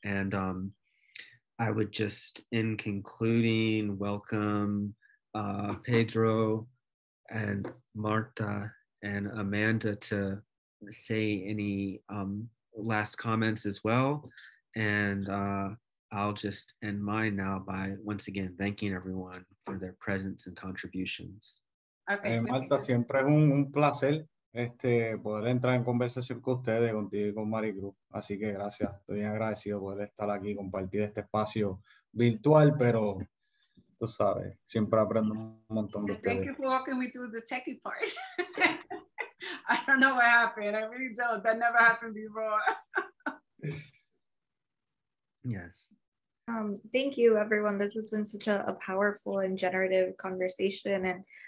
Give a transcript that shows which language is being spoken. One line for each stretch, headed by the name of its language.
English: And I would just, in concluding, welcome Pedro and Marta and Amanda to say any last comments as well. And I'll just end mine now by once again thanking everyone for their presence and contributions. Okay.
Spanish: Marta, siempre es un placer poder entrar en conversación con ustedes, contigo y con Maricruz. Así que gracias, estoy agradecido por estar aquí, compartir este espacio virtual, pero tú sabes, siempre aprendo un montón de ustedes.
English: Thank you for walking me through the techie part. I don't know what happened, I really don't, that never happened before. Yes. Thank you, everyone. This has been such a powerful and generative conversation.